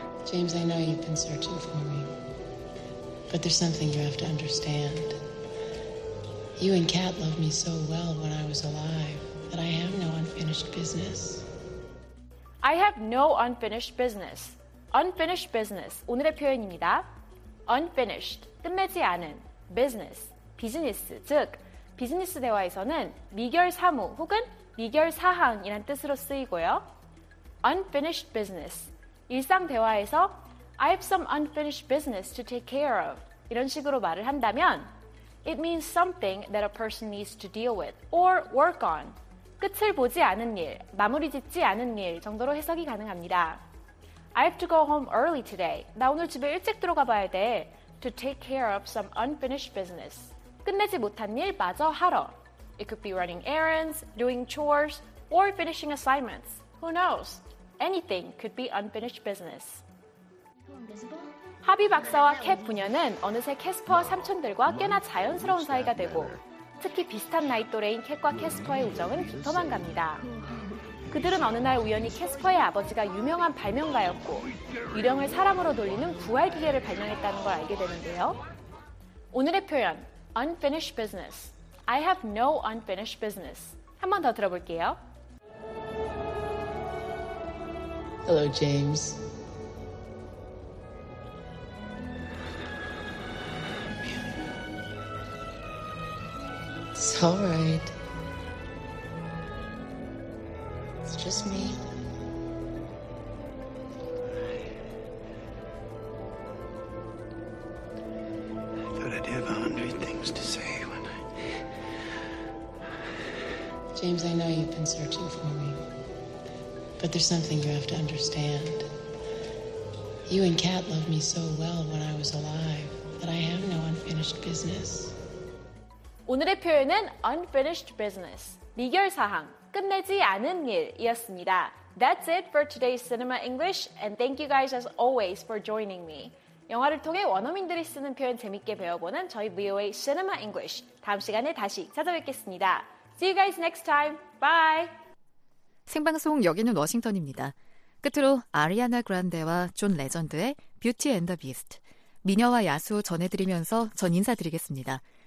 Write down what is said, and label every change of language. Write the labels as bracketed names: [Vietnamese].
[English] James, I know you've been searching for me. But there's something you have to understand. You and Kat loved me so well when I was alive that I have no unfinished business. I have no unfinished business. [Korean] Unfinished business, 오늘의 표현입니다. Unfinished, 끝내지 않은, business, 비즈니스, 즉, 비즈니스 대화에서는 미결 사무 혹은 미결 사항이란 뜻으로 쓰이고요. [English] Unfinished business, [Korean] 일상 대화에서 [English] I have some unfinished business to take care of, [Korean] 이런 식으로 말을 한다면 [English] It means something that a person needs to deal with or work on. [Korean] 끝을 보지 않은 일, 마무리 짓지 않은 일 정도로 해석이 가능합니다. [English] I have to go home early today. [Korean] 나 오늘 집에 일찍 들어가 봐야 돼. [English] To take care of some unfinished business. [Korean] 끝내지 못한 일 마저 하러. [English] It could be running errands, doing chores, or finishing assignments. Who knows? Anything could be unfinished business. [Korean] 하비 박사와 캣 부녀는 어느새 캐스퍼와 삼촌들과 꽤나 자연스러운 사이가 되고 특히 비슷한 나이 또래인 캣과 캐스퍼의 우정은 깊어만 갑니다. 그들은 어느 날 우연히 캐스퍼의 아버지가 유명한 발명가였고 유령을 사람으로 돌리는 부활 기계를 발명했다는 걸 알게 되는데요. 오늘의 표현, unfinished business. [English] I have no unfinished business. [Korean] 한 번 더 들어볼게요. [English] Hello, James. It's all right. It's just me. I thought I'd have 100 things to say when I... James, I know you've been searching for me. But there's something you have to understand. You and Kat loved me so well when I was alive that I have no unfinished business. [Korean] 오늘의 표현은 unfinished business, 미결사항, 끝내지 않은 일이었습니다. [English] That's it for today's Cinema English, and thank you guys as always for joining me. [Korean] 영화를 통해 원어민들이 쓰는 표현 재밌게 배워보는 저희 VOA Cinema English, 다음 시간에 다시 찾아뵙겠습니다. [English] See you guys next time. Bye! [Korean] 생방송 여기는 워싱턴입니다. 끝으로 아리아나 그란데와 존 레전드의 Beauty and the Beast, 미녀와 야수 전해드리면서 전 인사드리겠습니다.